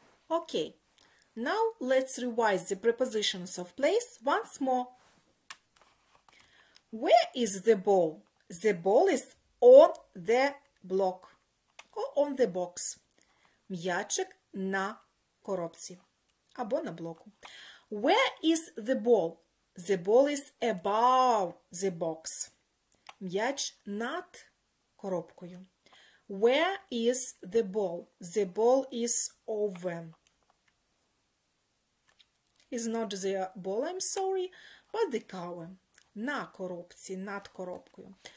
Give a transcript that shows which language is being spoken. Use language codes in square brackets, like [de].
[en] Okay, now let's revise the prepositions of place once more. Where is the ball? The ball is on the block or on the box. [uk] М'ячик на коробці або на блоку. Where is the ball? The ball is above the box. М'яч над коробкою. [en] Where is the ball? The ball is over. Is not the ball, I'm sorry, but the cover. [uk] На коробці, над коробкою.